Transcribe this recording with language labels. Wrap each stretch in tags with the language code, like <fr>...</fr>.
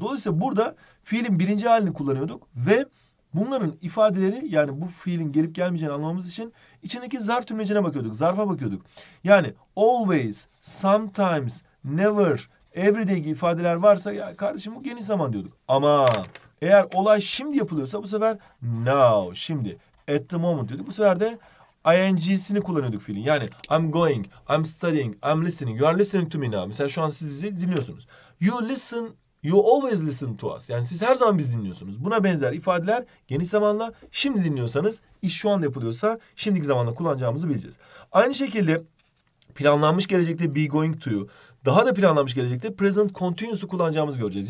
<tr>Dolayısıyla burada fiilin birinci halini kullanıyorduk ve bunların ifadeleri yani bu fiilin gelip gelmeyeceğini anlamamız için içindeki zarf tümlecine bakıyorduk, zarfa bakıyorduk. Yani always, sometimes, never, everyday gibi ifadeler varsa ya kardeşim bu geniş zaman diyorduk. Ama eğer olay şimdi yapılıyorsa bu sefer now, şimdi, at the moment diyorduk. Bu sefer de ing'sini kullanıyorduk fiilin.</tr> <en>Yani I'm going, I'm studying, I'm listening, you are listening to me now.</en> <tr>Mesela şu an siz bizi dinliyorsunuz.</tr> <en>You listen. You always listen to us.</en> <tr>Yani siz her zaman bizi dinliyorsunuz. Buna benzer ifadeler geniş zamanla şimdi dinliyorsanız, iş şu anda yapılıyorsa şimdiki zamanla kullanacağımızı bileceğiz. Aynı şekilde planlanmış gelecekte be going to'yu, daha da planlanmış gelecekte present continuous'u kullanacağımızı göreceğiz.</tr>